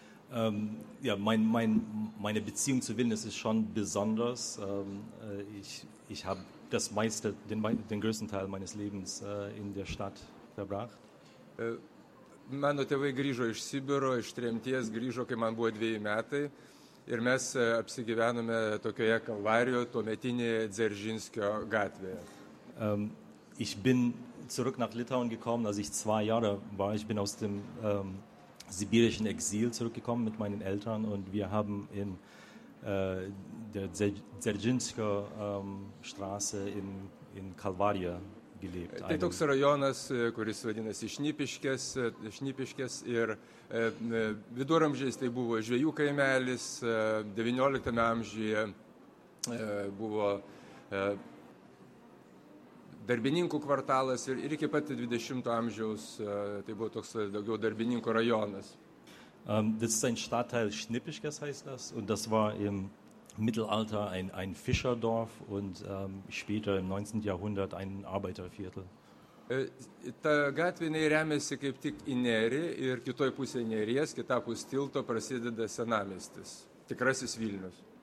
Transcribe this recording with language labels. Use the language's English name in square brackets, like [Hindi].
[German] Meine Beziehung zu Vilnius ist schon besonders. Ich habe das meiste den größten Teil meines Lebens in der Stadt verbracht. [Lithuanian] Mano tėvai grįžo iš Sibiro, iš tremties, grįžo, kai man buvo 2 metai. ir mes apsigyvenome tokioje Kalvarijoje, tuometinėje Dzeržinskio gatvėje. [German] Ich bin zurück nach Litauen gekommen, als ich 2 Jahre war. Ich bin aus dem sibirischen Exil zurückgekommen mit meinen Eltern und wir haben in der Dzeržinskio Straße in Kalvarija gelebt. [Lithuanian] Tai toks rajonas, kuris vadinasi Šnipiškės ir viduramžiais tai buvo žvejų kaimelis, 19 amžiuje buvo darbininkų kvartalas ir iki pat 20 amžiaus tai buvo toks daugiau darbininkų rajonas. [German] Das ist ein Stadtteil Šnipiškės heißt das und das war im Mittelalter ein Fischerdorf und später im 19. Jahrhundert ein Arbeiterviertel. [Lithuanian] Ta gatvė remiasi kaip tik į Nerį ir kitoj pusėj Neries, kitapus tilto prasideda senamiestis, tikrasis Vilnius.